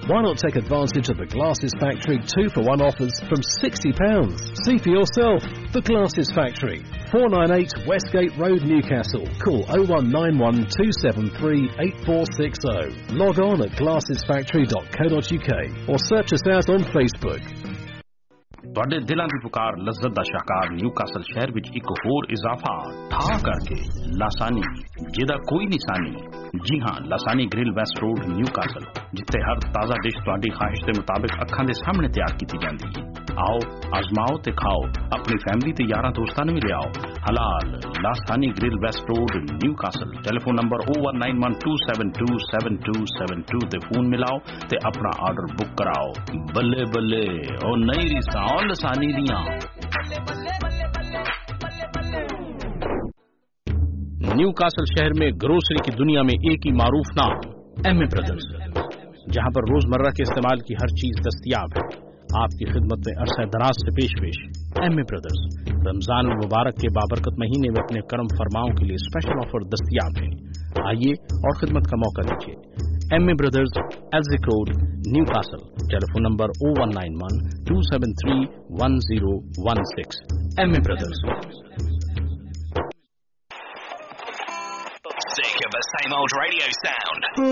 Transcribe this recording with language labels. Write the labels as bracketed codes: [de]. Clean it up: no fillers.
[en] Why not take advantage of the Glasses Factory 2-for-1 offers from £60? See for yourself. The Glasses Factory, 498 Westgate Road, Newcastle. Call 0191 273 8460. Log on at glassesfactory.co.uk or search us out on Facebook. [pa] ਤੁਹਾਡੇ ਦਿਲਾਂ ਦੀ ਪੁਕਾਰ ਲੱਜ਼ਤ ਦਾ ਸ਼ਾਹਕਾਰ Newcastle ਸ਼ਹਿਰ ਵਿੱਚ ਇੱਕ ਹੋਰ ਇਜ਼ਾਫਾ ਥਾਂ ਕਰਕੇ ਲਾਸਾਨੀ ਜਿਹਦਾ ਕੋਈ ਨਿਸ਼ਾਨੀ ਜੀ ਹਾਂ ਲਾਸਾਨੀ ਗ੍ਰਿਲ ਵੈਸਟ ਰੋਡ ਨਿਊਕਾਸਲ ਜਿੱਥੇ ਹਰ ਤਾਜ਼ਾ ਡਿਸ਼ ਤੁਹਾਡੀ ਖਾਹਿਸ਼ ਦੇ ਮੁਤਾਬਿਕ ਅੱਖਾਂ ਦੇ ਸਾਹਮਣੇ ਤਿਆਰ ਕੀਤੀ ਜਾਂਦੀ ਹੈ ਆਓ ਅਜ਼ਮਾਓ ਤੇ ਖਾਓ ਆਪਣੀ ਫੈਮਿਲੀ ਤੇ ਯਾਰਾਂ ਦੋਸਤਾਂ ਨੂੰ ਵੀ ਲਿਆਓ ਹਲਾਲ ਲਾਸਾਨੀ grill West road Newcastle telephone number 0191-272-7272 ਤੇ ਫੋਨ ਮਿਲਾਓ ਤੇ ਆਪਣਾ ਆਰਡਰ ਬੁੱਕ ਕਰਾਓ ਬੱਲੇ ਬੱਲੇ ਉਹ ਨਹੀਂ ਰਿਸਾ ਲਸਾਨੀ ਦੀਆਂ [ur] نیو کاسل شہر میں گروسری کی دنیا میں ایک ہی معروف نام ایم اے برادرز، جہاں پر روزمرہ کے استعمال کی ہر چیز دستیاب ہے۔ آپ کی خدمت میں عرصہ دراز سے پیش ایم اے برادرز رمضان المبارک کے بابرکت مہینے میں اپنے کرم فرماؤں کے لیے اسپیشل آفر دستیاب ہے۔ آئیے اور خدمت کا موقع دیجیے۔ M a brothers ایلزی code new castle, tele phone number 0191-273-1016۔ M a brothers. [en] Sick of the same old radio sound?